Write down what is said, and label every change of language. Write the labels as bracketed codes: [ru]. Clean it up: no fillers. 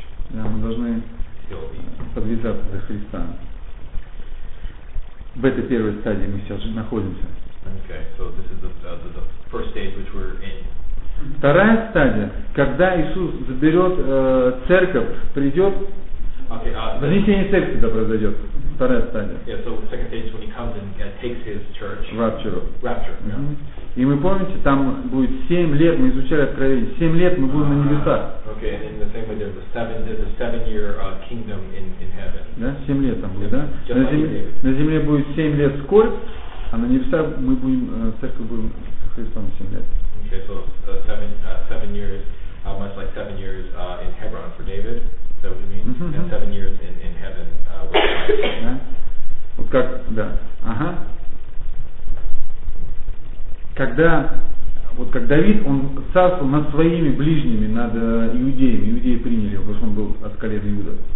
[ru] Да, мы должны подвязаться за Христа. В этой первой стадии мы сейчас находимся. [en] Okay, so this is the first stage which we're in. Вторая стадия, когда Иисус заберет церковь, придет. Вознесение церкви да произойдет. Вторая стадия. Yeah, so second stage when he comes and takes his church. Rapture. Yeah. [ru] И мы помните, там будет 7 лет, мы изучали откровение, 7 лет мы будем на небесах. [en] Okay, and in the same way there's a seven year kingdom in heaven. [ru] Да, 7 лет там будет, yeah, да? На земле будет 7 лет скорбь, а на небесах мы будем, церковь будем Христом 7 лет. [en] Okay, so seven years, much like 7 years in Hebron for David, is that what you mean? Mm-hmm. And 7 years in heaven with Christ. [ru] Yeah. Вот как, да. Ага. Когда, вот как Давид, он царствовал над своими ближними, над иудеями. Иудеи приняли его, потому что он был от колена Иуда.